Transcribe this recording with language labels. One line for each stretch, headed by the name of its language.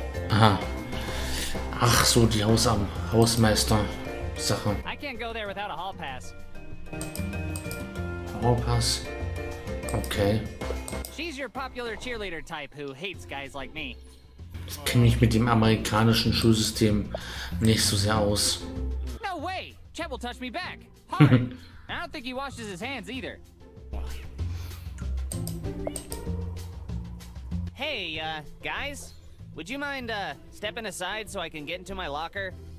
German: Aha. Ach so, die Hausmeister Sache.
English: I can't go there without a hall pass. Hall pass. Okay. She's your popular cheerleader type who hates guys like me.
German: Ich kenne mich mit dem amerikanischen Schulsystem nicht so sehr aus.
English: No way. Chet will touch me back. Hard. I don't think he washes his hands either. Hey, guys, would you mind stepping aside so I can get into my locker?